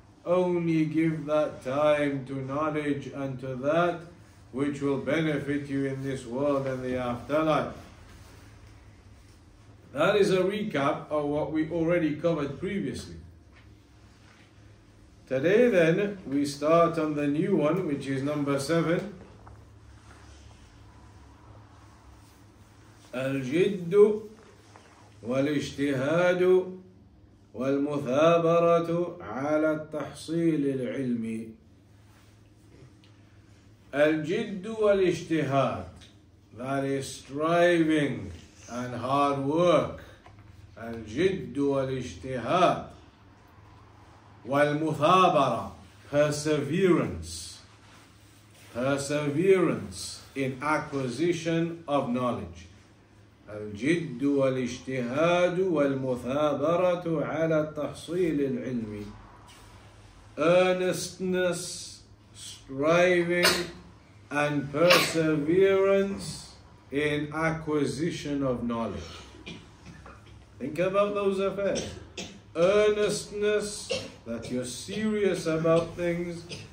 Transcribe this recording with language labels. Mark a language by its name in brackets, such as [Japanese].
[English] Only give that time to knowledge and to that which will benefit you in this world and the afterlife. That is a recap of what we already covered previously. Today then, we start on the new one, which is number 7. [Arabic] Al-jiddu wal-ijtihadu وَالْمُثَابَرَةُ عَلَى التَّحْصِيلِ الْعِلْمِ. الْجِدُّ وَالْإِجْتِهَادِ. [English] That is striving and hard work. [Arabic] الْجِدُّ وَالْإِجْتِهَادِ. وَالْمُثَابَرَةُ. [English] Perseverance. Perseverance in acquisition of knowledge. [Arabic] الجد والاجتهاد والمثابرة على التحصيل العلمي. [English] Earnestness, striving, and perseverance in acquisition of knowledge. Think about those affairs. Earnestness, that you're serious about things.